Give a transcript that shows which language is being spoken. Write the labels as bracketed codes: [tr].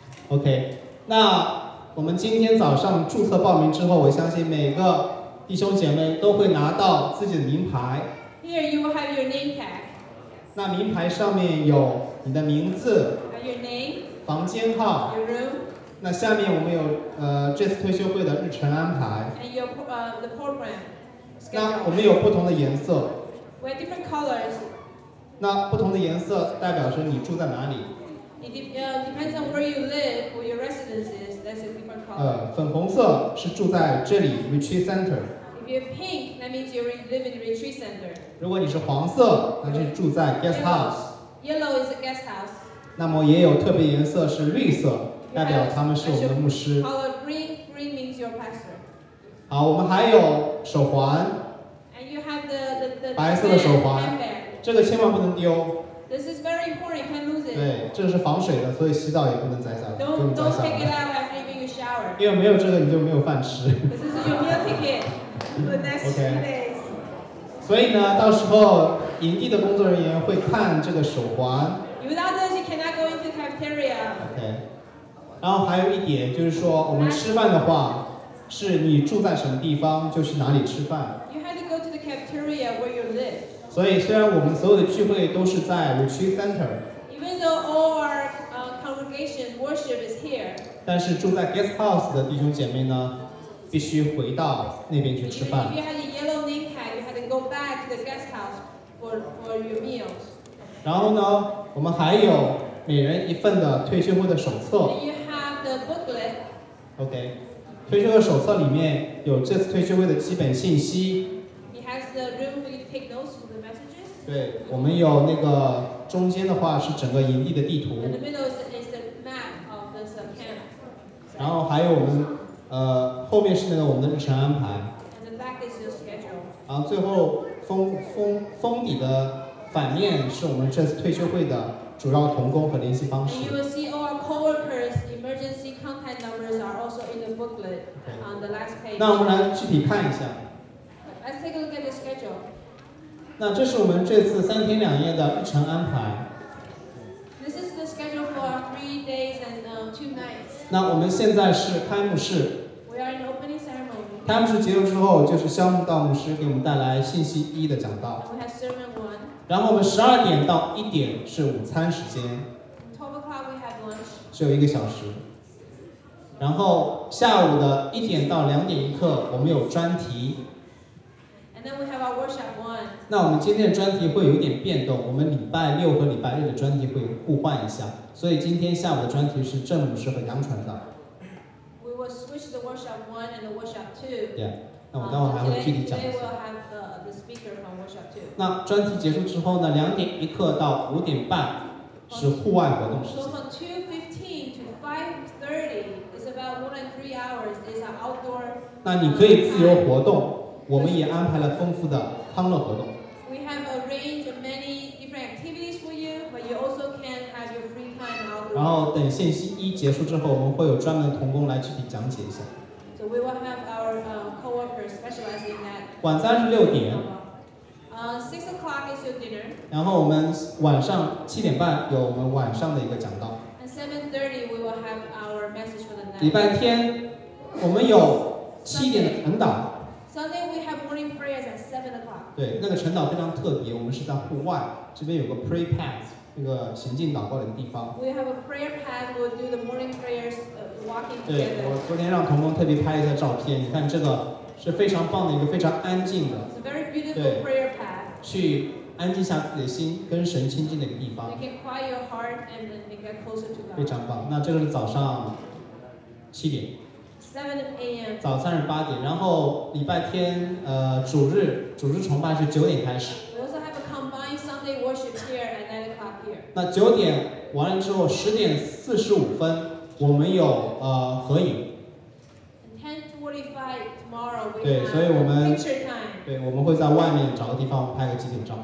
[zh] OK, 那我们今天早上注册报名之后，我相信每个弟兄姐妹都会拿到自己的名牌。 [en] Here you will have your name tag. [zh] 那名牌上面有你的名字。 [en] Your name. [zh] 房间号。 [en] Your room. [zh] 那下面我们有这次退休会的日程安排。 [en] And your the program. [zh] 那我们有不同的颜色。 [en] We have different colors. [zh] 那不同的颜色代表着你住在哪里。 [en] It depends on where you live, where your residence is. That's a different color. [zh] 粉红色是住在这里 retreat center. [en] If you're pink, that means you live in retreat center. [zh] 如果你是黄色，那就是住在 guest house. [en] Yellow is a guest house. [zh] 那么也有特别颜色是绿色，代表他们是我们的牧师。 [en] Color green means your pastor. [zh] 好，我们还有手环。 [en] And you have the [zh] 白色的手环，这个千万不能丢。 [en] This is very important. Can't lose it. [zh] 对，这是防水的，所以洗澡也不能摘下来。 [en] Don't take it out after giving a shower. [zh] 因为没有这个，你就没有饭吃。 [en] This is your meal ticket for the next few days. [zh] 所以呢，到时候营地的工作人员会看这个手环。 [en] Without this, you cannot go into cafeteria. Okay. [zh] 然后还有一点就是说，我们吃饭的话，是你住在什么地方就去哪里吃饭。 [en] You had to go to the cafeteria where you live. [zh] 所以虽然我们所有的聚会都是在 Retreat Center， [en] Even though all our congregation worship is here， [zh] 但是住在 Guest House 的弟兄姐妹呢，必须回到那边去吃饭。 [en] If you had a yellow name tag, you had to go back to the guest house for your meals. [zh] 然后呢，我们还有每人一份的退休会的手册。 [en] And you have the booklet. [zh] OK， 退休会手册里面有这次退休会的基本信息。 [en] It has the room for you to take notes. [zh] 对，我们有那个中间的话是整个营地的地图。 [en] And the middle is the map of this camp. [zh] 然后还有我们后面是那个我们的日程安排。 [en] And the back is your schedule. [zh] 然后最后封底的反面是我们这次退休会的主要同工和联系方式。 [en] And you will see all our coworkers' emergency contact numbers are also in the booklet on the last page. [zh] 那我们来具体看一下。 [en] Let's take a look at the schedule. [zh] 那这是我们这次三天两夜的日程安排。 [en] This is the schedule for 3 days and two nights. [zh] 那我们现在是开幕式。 [en] We are in opening ceremony. [zh] 开幕式结束之后，就是肖牧道牧师给我们带来信息一的讲道。 [en] We have sermon one. [zh] 然后我们12点到1点是午餐时间。 [en] 12 o'clock we have lunch. [zh] 只有一个小时。然后下午的1点到2点1刻，我们有专题。 [en] And then we have our workshop one. [zh] 那我们今天的专题会有点变动，我们礼拜六和礼拜日的专题会互换一下，所以今天下午的专题是郑牧师和杨传道。 [en] We will switch the workshop one and the workshop two. Yeah. [zh] 那我待会还会具体讲一下。 [en] Today we'll have the speaker from workshop two. [zh] 那专题结束之后呢，2点1刻到5点半是户外活动时间。 [en] So from 2:15 to 5:30 is about more than 3 hours. It's an outdoor. [zh] 那你可以自由活动。我们也安排了丰富的康乐活动。 [en] We have a range of many different activities for you, but you also can have your free time outdoors. [zh] 然后等信息一结束之后，我们会有专门同工来具体讲解一下。 [en] So we will have our coworkers specialize in that. [zh] 晚餐是6点。 [en] 6 o'clock is your dinner. [zh] 然后我们晚上7点半有我们晚上的一个讲道。 [en] And 7:30 we will have our message for the night. [zh] 礼拜天，我们有7点的晨祷。 [en] Sunday we have morning prayers at 7 o'clock. [zh] 对，那个晨祷非常特别，我们是在户外，这边有个 pre-pack. 那个行进祷告的地方。 [en] We have a prayer pad. We'll do the morning prayers, walking together. [zh] 对，我昨天让同工特别拍一下照片，你看这个是非常棒的一个非常安静的。 [en] It's a very beautiful prayer pad. [zh] 去安静下自己的心，跟神亲近的一个地方。 [en] You can quiet your heart and then get closer to God. [zh] 非常棒。那这个是早上七点。 [en] 7 a.m. [zh] 早餐是八点，然后礼拜天，主日崇拜是九点开始。 [en] We also have a combined Sunday worship here at 9 o'clock here. [zh] 那九点完了之后，10:45我们有合影。 [en] 10:45 tomorrow we have [zh] 对，所以我们 [en] picture time. [zh] 对，我们会在外面找个地方拍个集体照。